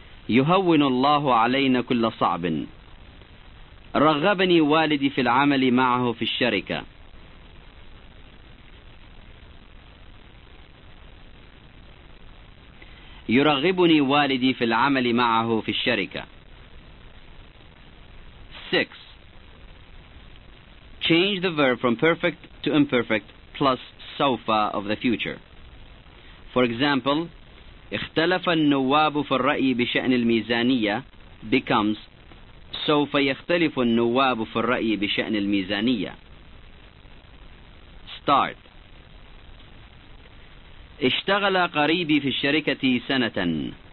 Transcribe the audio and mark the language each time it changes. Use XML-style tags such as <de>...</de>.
<ar>يهون الله علينا كل صعب. رغبني والدي في العمل معه في الشركة. يرغبني والدي في العمل معه في الشركة.</ar> <en>6. Change the verb from perfect to imperfect plus سوف of the future. For example,</en> <ar>اختلف النواب في الرأي بشأن الميزانية</ar> <en>becomes</en> <ar>سوف يختلف النواب في الرأي بشأن الميزانية.</ar> <en>Start.</en> <ar>اشتغل قريبي في الشركة سنة.</ar>